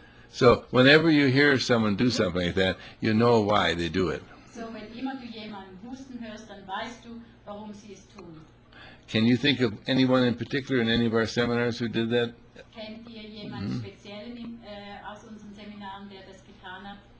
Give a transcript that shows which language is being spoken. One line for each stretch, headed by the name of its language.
English: So whenever you hear someone do something like that, you know why they do it.
German: So when immer du jemanden husten hörst, dann weißt du, warum sie es tun.
English: Can you think of anyone in particular in any of our seminars who did that?
German: Kennt ihr jemanden speziellen aus unseren Seminaren, der das getan hat?